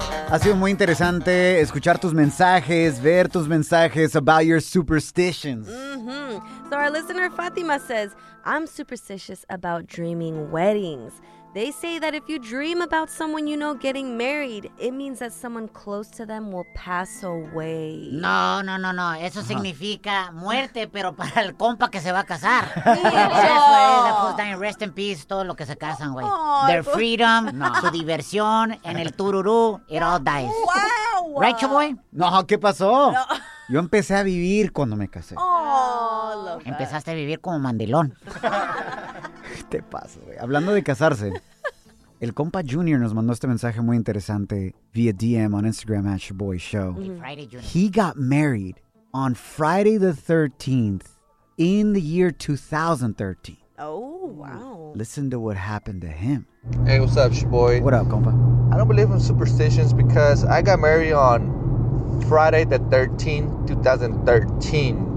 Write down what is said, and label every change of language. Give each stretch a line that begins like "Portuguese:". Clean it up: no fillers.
Spanish: Ha sido muy interesante escuchar tus mensajes, ver tus mensajes
English: about your superstitions. Mm-hmm. So our listener Fatima says, I'm superstitious about dreaming weddings. They say that if you dream about someone you know getting married, it means that someone close to them will pass away. No.
Spanish: Eso significa muerte, pero para el compa que se va a casar.
English: Dying, rest in peace,
Spanish: todo lo que se casan, güey. Oh,
English: their freedom,
Spanish: su diversión, en el tururú,
English: it all dies. Wow. Right, Chaboy?
Spanish: No, ¿qué pasó? No. Yo empecé a vivir cuando me casé. Empezaste a vivir como mandilón. Te paso, güey. Hablando de casarse, el compa Junior nos mandó este mensaje muy interesante
English: via DM on Instagram at Shaboy Show. Hey, Friday, Junior. He got married on Friday the 13th in the year 2013. Oh, wow. Listen to what happened to him. Hey, what's up, Shaboy? What up, compa? I don't believe in superstitions because I got married on Friday the 13th, 2013.